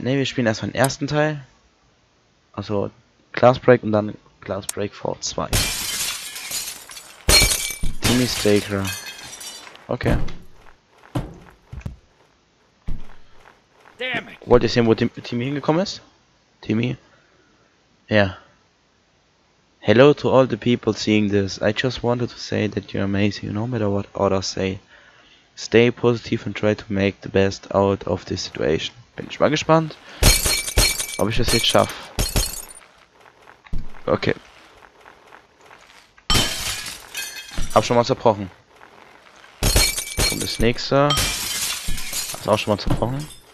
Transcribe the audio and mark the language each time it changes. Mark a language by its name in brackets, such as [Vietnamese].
[German] Ne, wir spielen erstmal den ersten Teil. Also Glassbreak und dann Glassbreak V2. Timmy Staker. Okay. [English] Damn it. [German] Wollt ihr sehen, wo Timmy hingekommen ist? Timmy? Ja. Yeah. [English] Hello to all the people seeing this. I just wanted to say that you're amazing, no matter what others say. Stay positive and try to make the best out of this situation. [German] Bin ich mal gespannt, ob ich das jetzt schaffe. Okay. Hab schon mal zerbrochen. Und das nächste. Hab's auch schon mal zerbrochen.